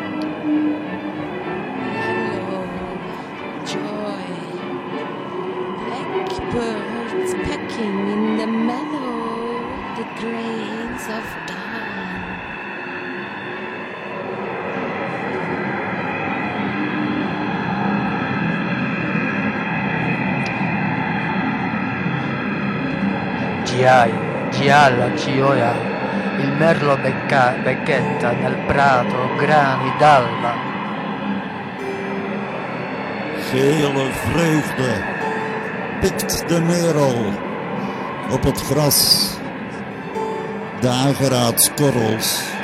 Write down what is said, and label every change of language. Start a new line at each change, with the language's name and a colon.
English: Yellow joy, blackbirds pecking in the meadow, the grains of dawn.
Italian: Gialla gioia, il merlo becchetta nel prato grani d'alba.
Dutch: Gele vreugde pikt de merel op het gras, dageraadskorrels.